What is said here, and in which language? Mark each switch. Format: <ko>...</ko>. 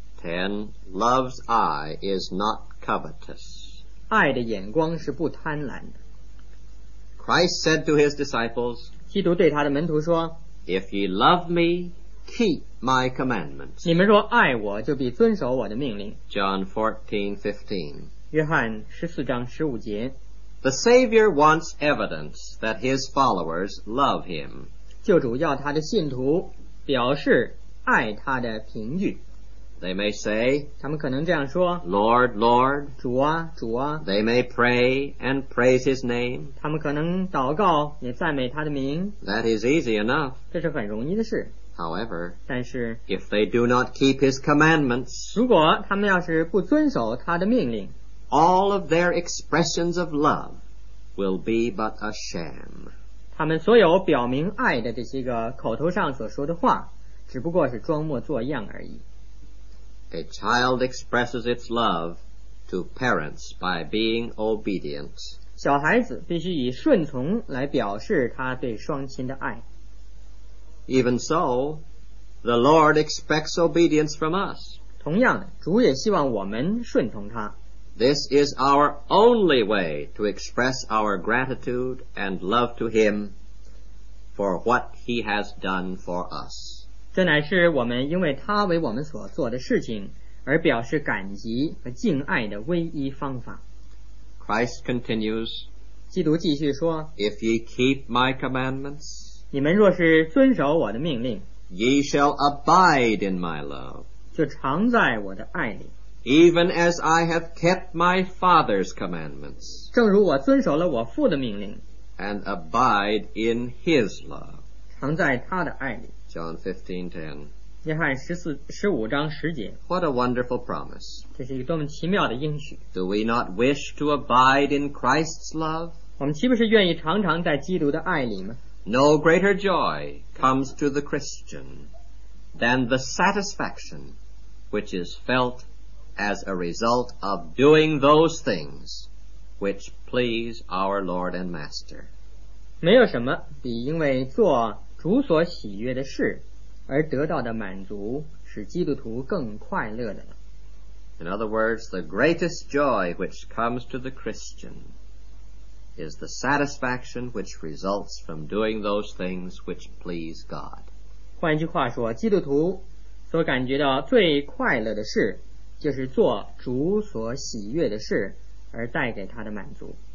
<en>Ten, love's eye is not covetous.</en> <zh>爱的眼光是不贪婪的。</zh> <en>Christ said to his disciples,</en> <zh>基督对他的门徒说，</zh> <en>If ye love me, keep my commandments.</en> <zh>你们若爱我，就必遵守我的命令。</zh> <en>John 14:15.</en> <zh>约翰14章15节。</zh> <en>The Savior wants evidence that his followers love him.</en> <zh>救主要他的信徒表示爱他的凭据。</zh> <en>They may say,</en> <zh>他们可能这样说，</zh> <en>Lord, Lord,</en> <zh>主啊主啊。</zh> <en>They may pray and praise his name.</en> <zh>他们可能祷告也赞美他的名。</zh> <en>That is easy enough.</en> <zh>这是很容易的事。</zh> <en>However,</en> <zh>但是，</zh> <en>if they do not keep his commandments,</en> <zh>如果他们要是不遵守他的命令，</zh> <en>all of their expressions of love will be but a sham.</en> <zh>他们所有表明爱的这些个口头上所说的话只不过是装模作样而已。</zh> <en>A child expresses its love to parents by being obedient.</en> <zh>小孩子必须以顺从来表示他对双亲的爱。</zh> <en>Even so, the Lord expects obedience from us.</en> <zh>同样的，主也希望我们顺从他。</zh> <en>This is our only way to express our gratitude and love to him for what he has done for us.</en> <zh>这乃是我们因为他为我们所做的事情而表示感激和敬爱的唯一方法。</zh> <en>Christ continues,</en> <zh>基督继续说，</zh> <en>If ye keep my commandments,</en> <zh>你们若是遵守我的命令，</zh> <en>ye shall abide in my love,</en> <zh>就常在我的爱里。</zh> <en>Even as I have kept my Father's commandments,</en> <zh>正如我遵守了我父的命令，</zh> <en>and abide in his love,</en> <zh>常在他的爱里。</zh> <en>John 15:10.</en> <zh>约翰15章10节。</zh> <en>What a wonderful promise.</en> <zh>这是一个多么奇妙的应许。</zh> <en>Do we not wish to abide in Christ's love?</en> <zh>我们岂不是愿意常常在基督的爱里吗？</zh> <en>No greater joy comes to the Christian than the satisfaction which is felt as a result of doing those things which please our Lord and Master.</en> <zh>没有什么比因为做主所喜悦的事而得到的满足使基督徒更快乐的了。</zh> <en>In other words, the greatest joy which comes to the Christian is the satisfaction which results from doing those things which please God.</en> <zh>换句话说，基督徒所感觉到最快乐的事就是做主所喜悦的事而带给他的满足。</zh>